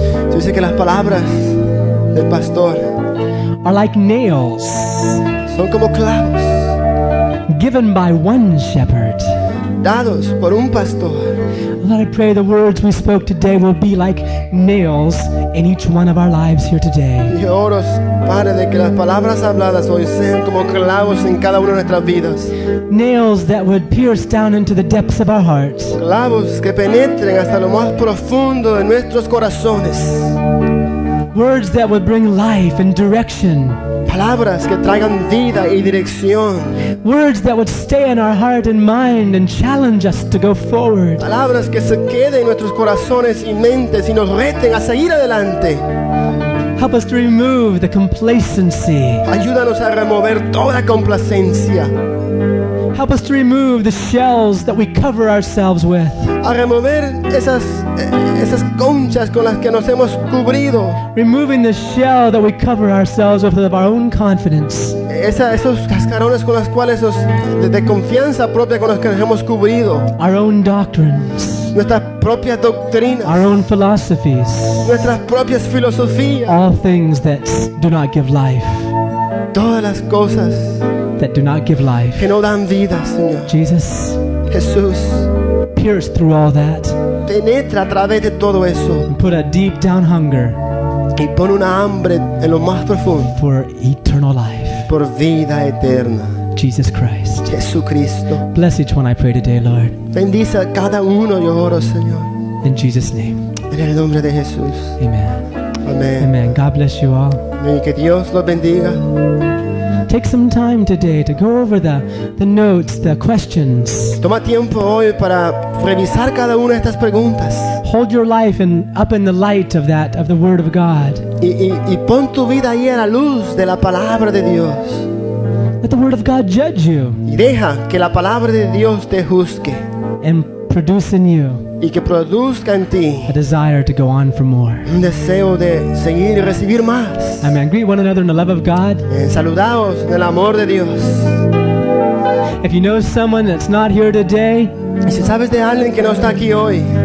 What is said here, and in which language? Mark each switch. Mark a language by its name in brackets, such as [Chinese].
[Spanish] Tú dices que las palabras del pastor [English] are like nails. [Spanish] Son como clavos. [English] Given by one shepherd. [Spanish] Dados por un pastor. [English] Lord, I pray the words we spoke today will be like nails in each one of our lives here today. [Spanish] Yo oro, Padre, de que las palabras habladas hoy sean como clavos en cada una de nuestras vidas. [English] Nails that would pierce down into the depths of our hearts. [Spanish] Clavos que penetren hasta lo más profundo de nuestros corazones. [English] Words that would bring life and direction. [Spanish] Palabras que traigan vida y dirección. [English] Words that would stay in our heart and mind and challenge us to go forward. [Spanish] Palabras que se queden en nuestros corazones y mentes y nos reten a seguir adelante. [English] Help us to remove the complacency. [Spanish] Ayúdanos a remover toda complacencia. [English] Help us to remove the shells that we cover ourselves with. [Spanish] A remover esas conchas con las que nos hemos cubrido. [English] Removing the shell that we cover ourselves with of our own confidence. [Spanish] Esos cascarones con las cuales de confianza propia con las que nos hemos cubrido. [English] Our own doctrines. [Spanish] Nuestras propias doctrinas. [English] Our own philosophies. [Spanish] Nuestras propias filosofías. [English] All things that do not give life. [Spanish] Todas las cosas [English] that do not give life. [Spanish] Que no dan vida, Señor. [English] Jesus. [Spanish] Jesús. [English] Pierce through all that. [Spanish] Penetra a través de todo eso. [English] And put a deep down hunger. [Spanish] Y pon una hambre en lo más profundo. [English] For eternal life. [Spanish] Por vida eterna. [English] Jesus Christ. [Spanish] Jesucristo. [English] Bless each one I pray today, Lord. [Spanish] Bendice a cada uno, yo oro, Señor. [English] In Jesus' name. [Spanish] En el nombre de Jesús. [English] Amen. [Spanish] Amen. [English] Amen. God bless you all. [Spanish] Y que Dios los bendiga. [English] Take some time today to go over the notes, the questions. [Spanish] Toma tiempo hoy para revisar cada una de estas preguntas. [English] hold your life in, up in the light of that, of the Word of God. [Spanish] Y pon tu vida ahí a la luz de la palabra de Dios. [English] Let the Word of God judge you. [Spanish] Y deja que la palabra de Dios te juzgue. [English] And produce in you. [Spanish] Y que produzca en ti. [English] A desire to go on for more. [Spanish] Un deseo de seguir y recibir más. [English] Amen. Greet one another in the love of God. [Spanish] Saludaos en el amor de Dios. [English] If you know someone that's not here today, [Spanish] si sabes de alguien que no está aquí hoy,